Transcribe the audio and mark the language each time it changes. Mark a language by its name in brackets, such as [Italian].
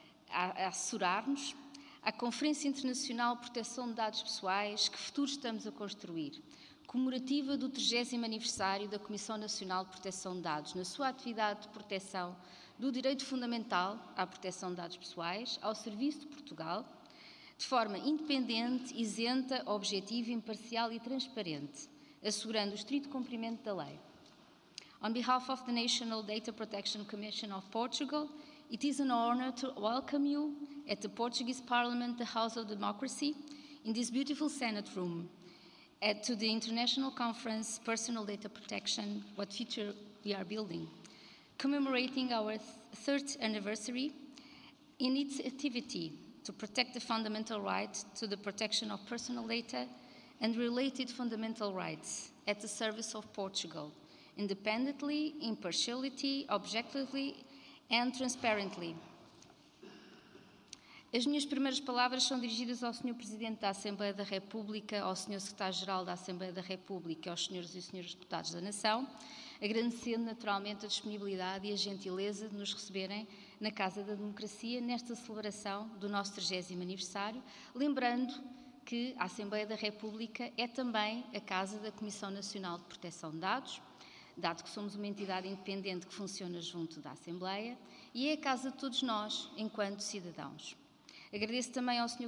[Portuguese] a assessorar-nos, à Conferência Internacional de Proteção de Dados Pessoais, que futuro estamos a construir, comemorativa do 30º aniversário da Comissão Nacional de Proteção de Dados, na sua atividade de proteção do direito fundamental à proteção de dados pessoais, ao serviço de Portugal, de forma independente, isenta, objetiva, imparcial e transparente, assegurando o estrito cumprimento da lei. [English] On behalf of the National Data Protection Commission of Portugal, it is an honor to welcome you at the Portuguese Parliament, the House of Democracy, in this beautiful Senate room, to the International Conference Personal Data Protection, What Future We Are Building, commemorating our 3rd anniversary in its activity to protect the fundamental right to the protection of personal data and related fundamental rights at the service of Portugal, independently, impartially, objectively and transparently. [Portuguese] As minhas primeiras palavras são dirigidas ao Sr. Presidente da Assembleia da República, ao Sr. Secretário-Geral da Assembleia da República, aos Srs. E Srs. Deputados da Nação, agradecendo naturalmente a disponibilidade e a gentileza de nos receberem na Casa da Democracia nesta celebração do nosso 30º aniversário, lembrando que a Assembleia da República é também a Casa da Comissão Nacional de Proteção de Dados, dado que somos uma entidade independente que funciona junto da Assembleia, e é a casa de todos nós, enquanto cidadãos. Agradeço também ao Sr.